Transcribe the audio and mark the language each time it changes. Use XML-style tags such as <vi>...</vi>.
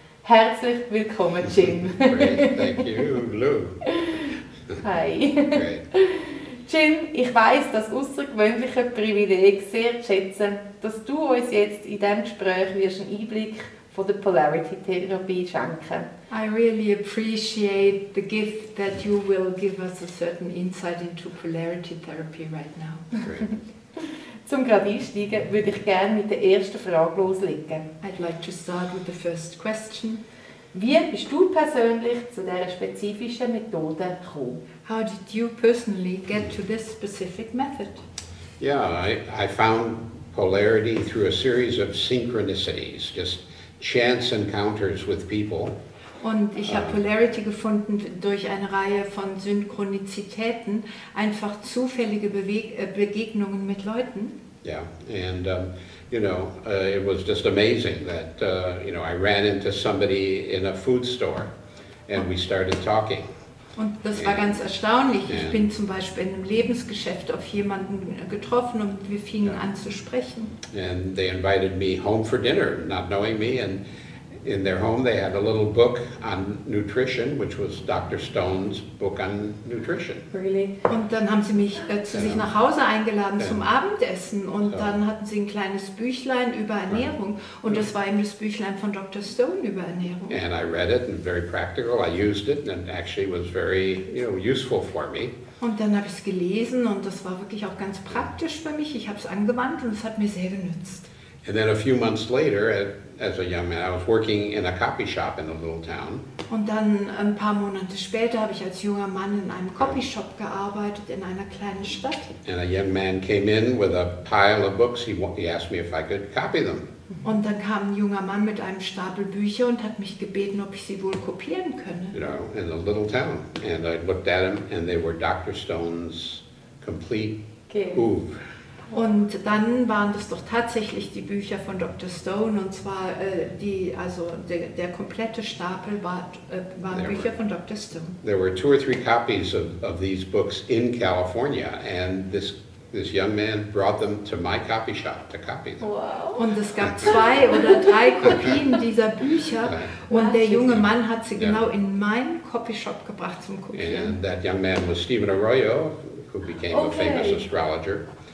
<de>Herzlich willkommen, Jim.</de> <en>Great, thank you, Lou. Hi. Great.</en> <de>Jim, ich weiss, das außergewöhnliche Privileg sehr zu schätzen, dass du uns jetzt in diesem Gespräch einen Einblick von der Polarity-Therapie schenken wirst.</de> <en>I really appreciate the gift that you will give us a certain insight into Polarity-Therapy right now. Great.</en> <de>Zum gerade einsteigen würde ich gerne mit der ersten Frage loslegen.</de> <en>I'd like to start with the first question.</en> <de>Wie bist du persönlich zu dieser spezifischen Methode gekommen?</de> <en>How did you personally get to this specific method? Yeah, I found polarity through a series of synchronicities, just chance encounters with people.</en> <de>Und ich habe Polarity gefunden durch eine Reihe von Synchronizitäten, einfach zufällige Begegnungen mit Leuten.</de> <en>Yeah, and it was just amazing that I ran into somebody in a food store, and we started talking.</en> <de>Und das war ganz erstaunlich. Ich bin zum Beispiel in einem Lebensgeschäft auf jemanden getroffen und wir fingen an zu sprechen.</de> <en>And they invited me home for dinner, not knowing me. And in their home, they had a little book on nutrition, which was Dr. Stone's book on nutrition. Really?</en> <de>Und dann haben sie mich zu sich nach Hause eingeladen zum Abendessen. Und dann hatten sie ein kleines Büchlein über Ernährung. Right. Und das war eben das Büchlein von Dr. Stone über Ernährung.</de> <en>And I read it, and very practical. I used it, and actually it was very, useful for me.</en> <de>Und dann habe ich es gelesen, und das war wirklich auch ganz praktisch für mich. Ich habe es angewandt, und es hat mir sehr genützt.</de> <en>And then a few months later, as a young man, I was working in a copy shop in a little town.</en> <de>Und dann ein paar Monate später habe ich als junger Mann in einem Copy Shop gearbeitet in einer kleinen Stadt.</de> <en>And a young man came in with a pile of books. He asked me if I could copy them.</en> <de>Und dann kam ein junger Mann mit einem Stapel Bücher und hat mich gebeten, ob ich sie wohl kopieren könne.</de> <en>In a little town, and I looked at them, and they were Dr. Stone's complete oeuvre.</en> <de>Und dann waren das doch tatsächlich die Bücher von Dr. Stone, und zwar der komplette Stapel waren Bücher von Dr. Stone.</de> <en>There were two or three copies of these books in California, and this young man brought them to my copy shop to copy them. Wow.</en> <de>Und es gab zwei oder drei Kopien dieser Bücher, und der junge Mann hat sie genau in meinen Copy Shop gebracht zum Kopieren.</de> <en>And that young man was Stephen Arroyo, who became a famous astrologer.</en>